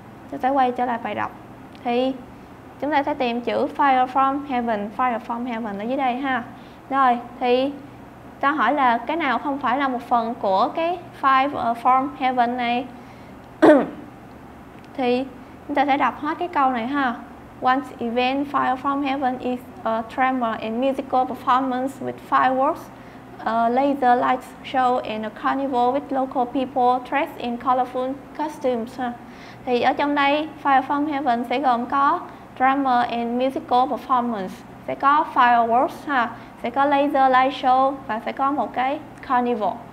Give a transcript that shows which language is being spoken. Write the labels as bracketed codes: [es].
[vi] Chúng ta quay trở lại bài đọc. Thì chúng ta sẽ tìm chữ fire from heaven ở dưới đây ha. Rồi, thì ta hỏi là cái nào không phải là một phần của cái fire from heaven này. Thì chúng ta sẽ đọc hết cái câu này ha. [en] One event fire from heaven is a tremor and musical performance with fireworks, a laser light show and a carnival with local people dressed in colorful costumes. [vi] Thì ở trong đây fire from heaven sẽ gồm có [en] drama and musical performance, [vi] sẽ có fireworks ha, sẽ có [en] laser light show [vi] và sẽ có một cái carnival.